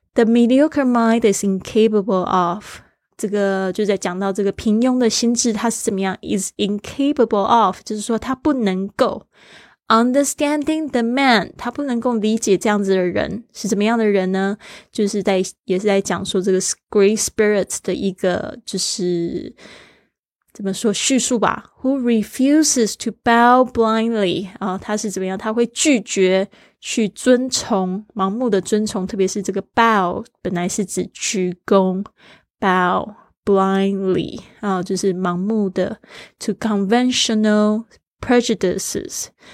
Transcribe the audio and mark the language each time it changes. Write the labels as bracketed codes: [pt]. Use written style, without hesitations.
[en] The mediocre mind is incapable of， [zh] 这个就在讲到这个平庸的心智它是怎么样， [en] is incapable of， [zh] 就是说它不能够 [en] understanding the man， [zh] 它不能够理解这样子的人是怎么样的人呢，就是在也是在讲说这个 [en] great spirit [zh] 的一个就是怎么说叙述吧 ？ [en] Who refuses to bow blindly？ [zh] 啊，他是怎么样？他会拒绝去遵从，盲目的遵从，特别是这个 bow 本来是指鞠躬 ， [en] bow blindly [zh] 啊，就是盲目的 [en] to conventional prejudices。